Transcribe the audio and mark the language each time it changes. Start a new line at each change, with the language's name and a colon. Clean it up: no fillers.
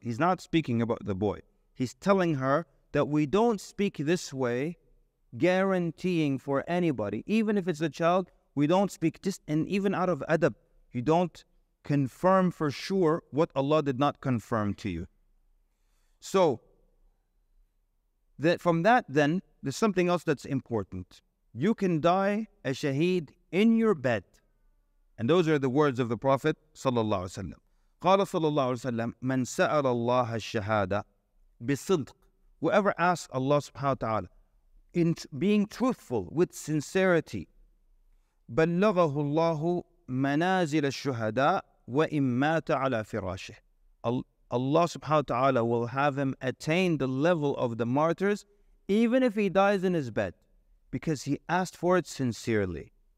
English: He's not speaking about the boy. He's telling her that we don't speak this way, guaranteeing for anybody, even if it's a child, we don't speak just, and even out of adab, you don't confirm for sure what Allah did not confirm to you. So, that from that then, there's something else that's important. You can die a shaheed in your bed. And those are the words of the Prophet sallallahu alaihi wasallam.
Arabic: قال صلى الله عليه وسلم من سأل الله الشهادة بصدق.
English: Whoever asks Allah subhanahu wa ta'ala in being truthful with sincerity,
Arabic: بلغه الله منازل الشهداء وإن مات على فراشه.
English: Allah subhanahu wa ta'ala will have him attain the level of the martyrs even if he dies in his bed, because he asked for it sincerely.